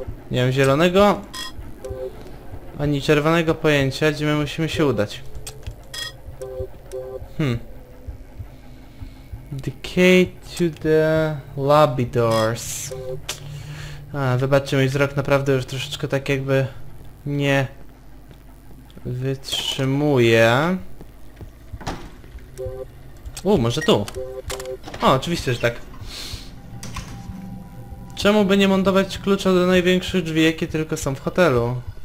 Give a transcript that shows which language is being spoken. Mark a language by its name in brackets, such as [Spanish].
[Polish] Nie mam zielonego ani czerwonego pojęcia, gdzie my musimy się udać. [English] The key to the lobby doors. [Polish] Wybaczcie, mój wzrok naprawdę już troszeczkę tak jakby nie wytrzymuje. Może tu? O, oczywiście, że tak. Czemu by nie montować klucza do największych drzwi, jakie tylko są w hotelu?